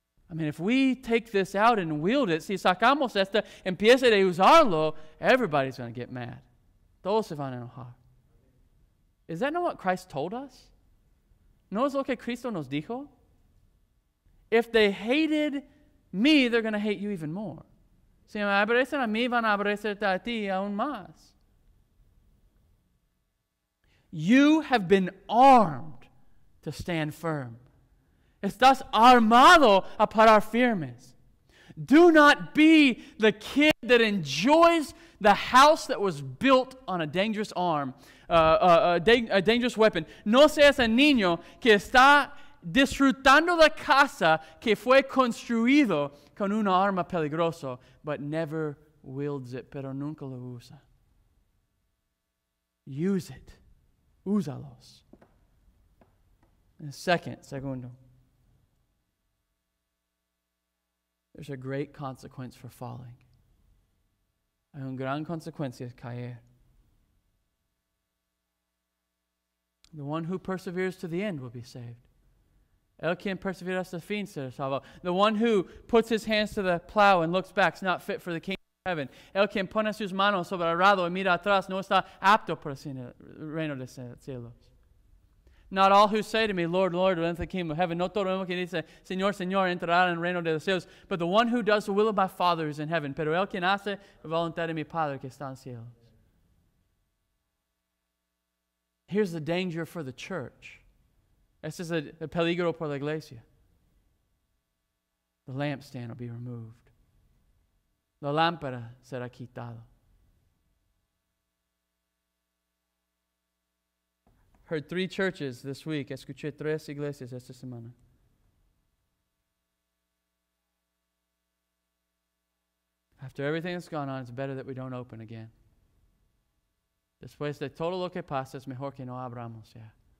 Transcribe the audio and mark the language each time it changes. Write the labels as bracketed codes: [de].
[en] I mean, if we take this out and wield it, [es] si sacamos esta, empieza de usarlo, [en] everybody's going to get mad. [es] Todos se van a enojar. [en] Is that not what Christ told us? [es] ¿No es lo que Cristo nos dijo? [en] If they hated me, they're going to hate you even more. [es] Si me aborrecen a mí, van a aborrecerte a ti aún más. [en] You have been armed to stand firm. [es] Estás armado a parar firmes. [en] Do not be the kid that enjoys the house that was built on a dangerous arm, a dangerous weapon. [es] No seas un niño que está disfrutando la casa que fue construido con una arma peligrosa, [en] but never wields it, [es] pero nunca lo usa. [en] Use it. [es] Úsalos. Segundo. [en] There's a great consequence for falling. [es] Hay una gran consecuencia de caer. [en] The one who perseveres to the end will be saved. [es] El quien persevera hasta el fin será salvo. [en] The one who puts his hands to the plow and looks back is not fit for the kingdom of heaven. [es] El quien pone sus manos sobre el arado y mira atrás no está apto para el reino de cielos. [en] Not all who say to me, Lord, Lord, will enter the kingdom of heaven. [es] No todo el mundo que dice, Señor, Señor, entrará en el reino de los cielos. [en] But the one who does the will of my Father is in heaven. [es] Pero el quien hace la voluntad de mi Padre que está en cielos. [en] Here's the danger for the church. [es] Este es el peligro por la iglesia. [en] The lampstand will be removed. [es] La lámpara será quitada. [en] Heard three churches this week. [es] Escuché tres iglesias esta semana. [en] After everything that's gone on, it's better that we don't open again. [es] Después de todo lo que pasa, es mejor que no abramos ya.